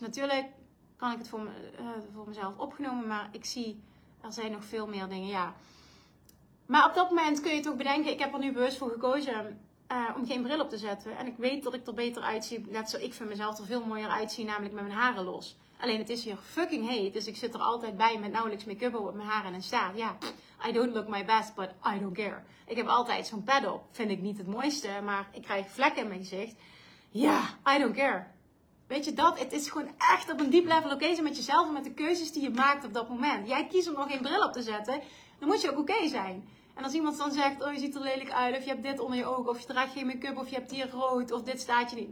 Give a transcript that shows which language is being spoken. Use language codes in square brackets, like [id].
[nl] Natuurlijk kan ik het voor mezelf opgenomen, maar ik zie, er zijn nog veel meer dingen, ja. Maar op dat moment kun je toch bedenken, ik heb er nu bewust voor gekozen om geen bril op te zetten. En ik weet dat ik er beter uitzie, net zo ik vind mezelf er veel mooier uitzien, namelijk met mijn haren los. Alleen het is hier fucking heet, dus ik zit er altijd bij met nauwelijks make-up op mijn haren en een staart. [en] Ja, I don't look my best, but I don't care. [nl] Ik heb altijd zo'n pad op, vind ik niet het mooiste, maar ik krijg vlekken in mijn gezicht. Ja, [en] I don't care. [nl] Weet je dat? Het is gewoon echt op een diep level oké zijn met jezelf en met de keuzes die je maakt op dat moment. Jij kiest om nog geen bril op te zetten, dan moet je ook oké zijn. En als iemand dan zegt, oh je ziet er lelijk uit, of je hebt dit onder je ogen, of je draagt geen make-up, of je hebt hier rood, of dit staat je niet.